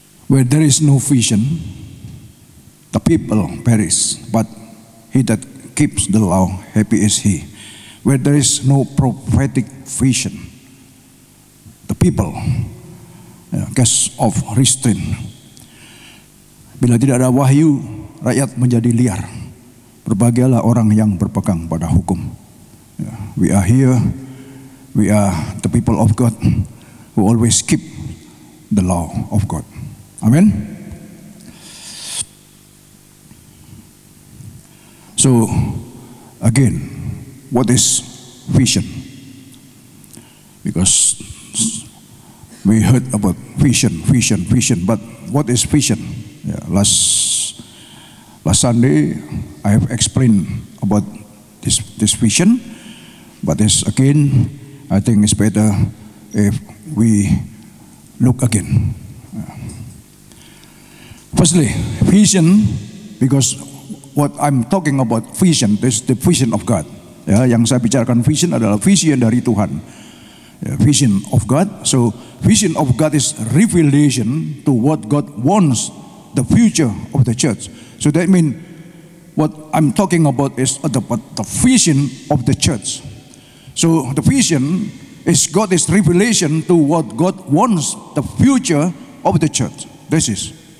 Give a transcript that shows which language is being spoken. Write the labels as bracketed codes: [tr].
[en] Where there is no vision, the people perish, but he that keeps the law, happy is he. Where there is no prophetic vision, the people cast off restraint. [id] Bila tidak ada wahyu, rakyat menjadi liar. Berbahagialah orang yang berpegang pada hukum. [en] We are here, we are the people of God who always keep the law of God. Amen. So, again, what is vision? Because we heard about vision, but what is vision? Yeah, last Sunday, I have explained about this vision, but this again, I think it's better if we look again. Firstly, vision, because what I'm talking about vision, this is the vision of God. [id] Yeah, yang saya bicarakan vision adalah vision dari Tuhan. [en] Yeah, vision of God. So, vision of God is revelation to what God wants, the future of the church. So that means what I'm talking about is the vision of the church. So the vision is God's revelation to what God wants, the future of the church. This is.